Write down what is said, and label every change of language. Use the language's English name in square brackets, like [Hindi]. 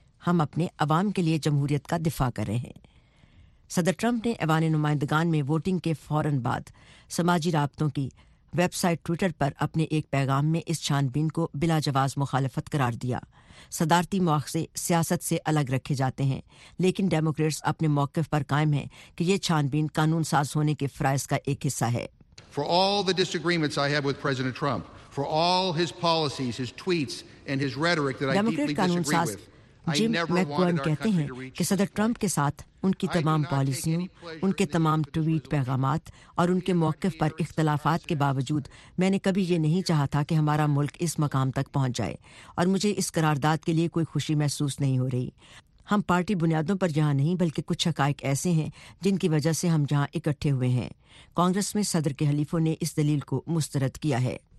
[Urdu] ہم اپنے عوام کے لیے جمہوریت کا دفاع کر رہے ہیں۔ صدر ٹرمپ نے ایوان نمائندگان میں ووٹنگ کے فوراً بعد سماجی رابطوں کی ویب سائٹ ٹویٹر پر اپنے ایک پیغام میں اس چھان بین کو بلا جواز مخالفت قرار دیا۔ صدارتی مواخذے سیاست سے الگ رکھے جاتے ہیں، لیکن ڈیموکریٹس اپنے موقف پر قائم ہیں کہ یہ چھان بین قانون ساز ہونے کے فرائض کا ایک حصہ ہے۔ [English] For all the disagreements I have with President Trump, for all his policies, his tweets and his rhetoric that I deeply disagree with, [Urdu] جم میکورن کہتے ہیں کہ صدر ٹرمپ کے ساتھ ان کی تمام پالیسیوں، ان کے تمام ٹویٹ پیغامات اور ان کے موقف پر اختلافات کے باوجود میں نے کبھی یہ نہیں چاہا تھا کہ ہمارا ملک اس مقام تک پہنچ جائے، اور مجھے اس قرارداد کے لیے کوئی خوشی محسوس نہیں ہو رہی۔ ہم پارٹی بنیادوں پر یہاں نہیں بلکہ کچھ حقائق ایسے ہیں جن کی وجہ سے ہم یہاں اکٹھے ہوئے ہیں۔ کانگریس میں صدر کے حلیفوں نے اس دلیل کو مسترد کیا ہے۔